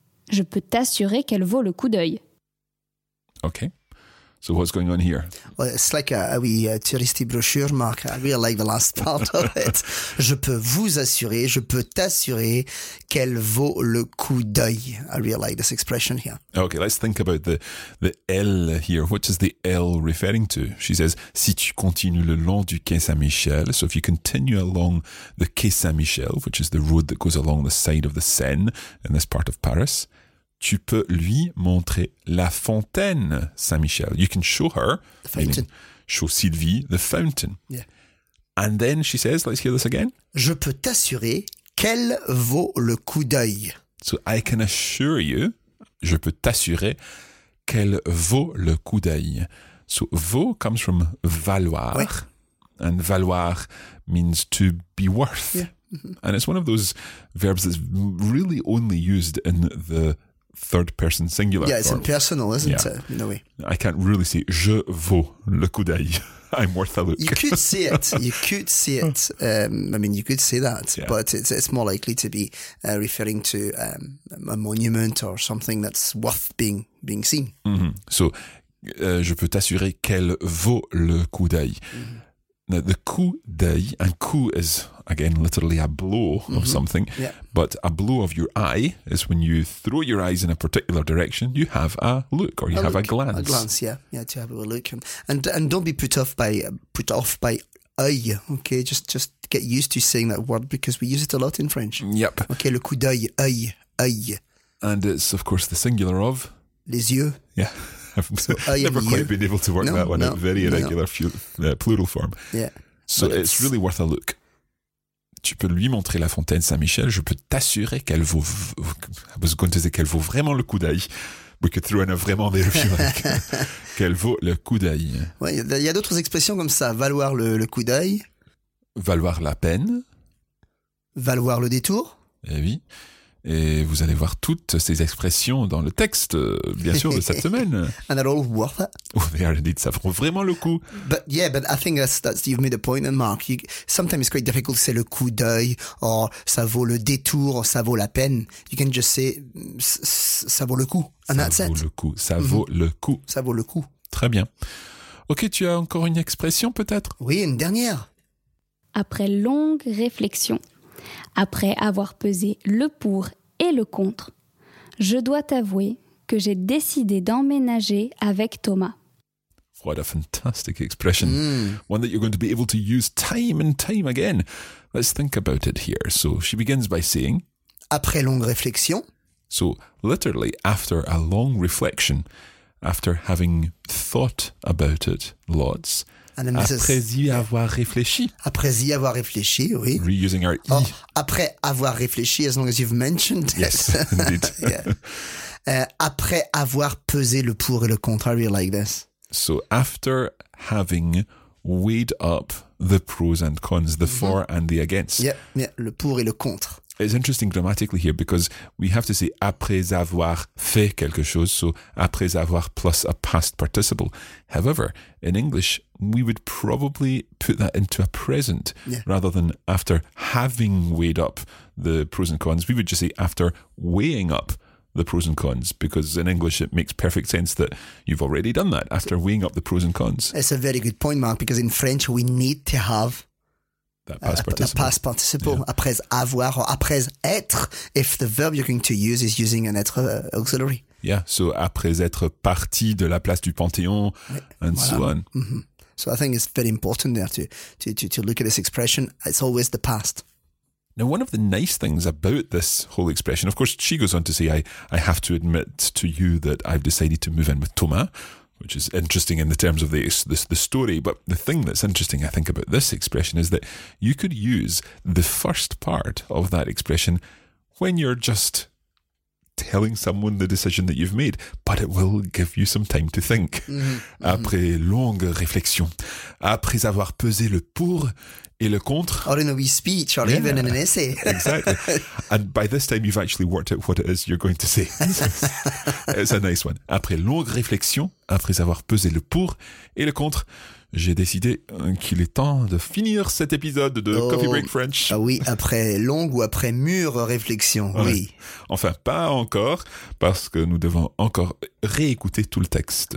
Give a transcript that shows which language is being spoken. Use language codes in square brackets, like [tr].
[fr] Je peux t'assurer qu'elle vaut le coup d'œil. [en] Okay. So what's going on here? Well, it's like a touristy brochure, Mark. I really like the last part of it. [fr] Je peux vous assurer, je peux t'assurer qu'elle vaut le coup d'œil. [en] I really like this expression here. Okay, let's think about the L here. What is the L referring to? She says, [fr] si tu continues le long du Quai Saint-Michel, [en] so if you continue along the Quai Saint-Michel, which is the road that goes along the side of the Seine in this part of Paris, [fr] tu peux lui montrer la fontaine Saint-Michel. [en] You can show her, the fountain. Show Sylvie the fountain. Yeah. And then she says, let's hear this again. [fr] Je peux t'assurer qu'elle vaut le coup d'œil. [en] So I can assure you, [fr] je peux t'assurer qu'elle vaut le coup d'œil. [en] So vaut comes from valoir. [fr] Oui. [en] And valoir means to be worth. Yeah. Mm-hmm. And it's one of those verbs that's really only used in the third person singular. Yeah, it's impersonal, isn't it? In a way. I can't really say, [fr] je vaux le coup d'œil. [en] I'm worth a look. You could see it. You could see it. I mean, you could say that, yeah. But it's more likely to be referring to a monument or something that's worth being seen. Mm-hmm. [fr] So, je peux t'assurer qu'elle vaut le coup d'œil. Mm-hmm. [en] Now, the coup d'œil, and coup is, again, literally a blow mm-hmm. of something. Yeah. But a blow of your eye is when you throw your eyes in a particular direction, you have a look or you have a glance. A glance, yeah. Yeah, to have a look. And don't be put off by œil, okay? Just get used to saying that word because we use it a lot in French. Yep. [fr] Okay, le coup d'œil, œil, œil. [en] And it's, of course, the singular of? [fr] Les yeux. [en] Yeah. I've never quite been able to work that one out. Plural form. Yeah. So it's really worth a look. [fr] Tu peux lui montrer la fontaine Saint-Michel, je peux t'assurer qu'elle vaut. [en] I was going to say [fr] qu'elle vaut vraiment le coup d'œil. [en] We could throw in a vraiment there if you like. [fr] Qu'elle vaut le coup d'œil. Oui, il y a d'autres expressions comme ça. Valoir le coup d'œil. Valoir la peine. Valoir le détour. Eh oui. Et vous allez voir toutes ces expressions dans le texte, bien sûr, de cette semaine. [en] And they're all worth it. Oh, they are indeed. [fr] Ça vaut vraiment le coup. [en] But yeah, but I think that's you've made a point, Mark. Sometimes it's quite difficult to say [fr] le coup d'œil, [en] or [fr] ça vaut le détour, [en] or [fr] ça vaut la peine. [en] You can just say [fr] ça vaut le coup, [en] and that's it. [fr] Ça vaut le coup. Ça vaut le coup. Ça vaut le coup. Très bien. Ok, tu as encore une expression, peut-être? Oui, une dernière. Après longue réflexion. Après avoir pesé le pour et le contre, je dois t'avouer que j'ai décidé d'emménager avec Thomas. [en] What a fantastic expression. Mm. One that you're going to be able to use time and time again. Let's think about it here. So she begins by saying... [fr] Après longue réflexion. [en] So literally, after a long reflection, after having thought about it lots... And then [fr] après y avoir réfléchi, oui. [en] Reusing our E. Oh, [fr] après avoir réfléchi, [en] as long as you've mentioned it. Yes, indeed. [fr] Après avoir pesé le pour et le contre, [en] I really like this. So after having weighed up the pros and cons, the mm-hmm. for and the against. [fr] Yeah, le pour et le contre. [en] It's interesting grammatically here because we have to say [fr] après avoir fait quelque chose, [en] so [fr] après avoir [en] plus a past participle. However, in English, we would probably put that into a present rather than after having weighed up the pros and cons. We would just say after weighing up the pros and cons, because in English it makes perfect sense that you've already done that after weighing up the pros and cons. It's a very good point, Mark, because in French we need to have... That past participle. Yeah. [fr] Après avoir [en] or [fr] après être, [en] if the verb you're going to use is using an être auxiliary. Yeah, so [fr] après être parti de la place du Panthéon, and voilà. [en] So on. Mm-hmm. So I think it's very important there to look at this expression. It's always the past. Now, one of the nice things about this whole expression, of course, she goes on to say, I have to admit to you that I've decided to move in with Thomas, which is interesting in the terms of the story. But the thing that's interesting, I think, about this expression is that you could use the first part of that expression when you're just telling someone the decision that you've made, but it will give you some time to think. Mm-hmm. [fr] Après longue réflexion, après avoir pesé le pour et le contre. [en] Or in a wee speech, or yeah, even in an essay. Exactly. And by this time, you've actually worked out what it is you're going to say. It's a nice one. [fr] Après longue réflexion, après avoir pesé le pour et le contre, j'ai décidé qu'il est temps de finir cet épisode de Coffee Break French. Ah oui, après longue ou après mûre réflexion, ouais. Oui. Enfin, pas encore, parce que nous devons encore réécouter tout le texte.